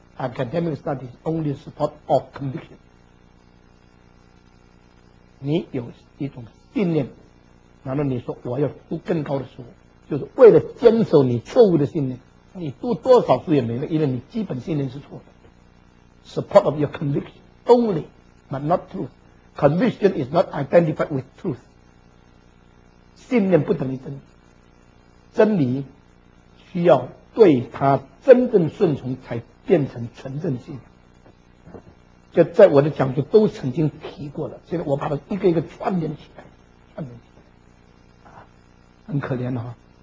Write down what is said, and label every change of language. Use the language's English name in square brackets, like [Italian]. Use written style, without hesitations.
[English] Academic study is only support of conviction. [Chinese] 你有一种信念，然后你说我要读更高的书，就是为了坚守你错误的信念。你读多少书也没了，因为你基本信念是错的。 [English] Support of your conviction only, but not truth. Conviction is not identified with truth. [Chinese] 信念不等于真理，真理需要对它真正顺从才变成纯正性，就在我的讲座都曾经提过了，现在我把它一个一个串联起来，串联起来，很可怜啊！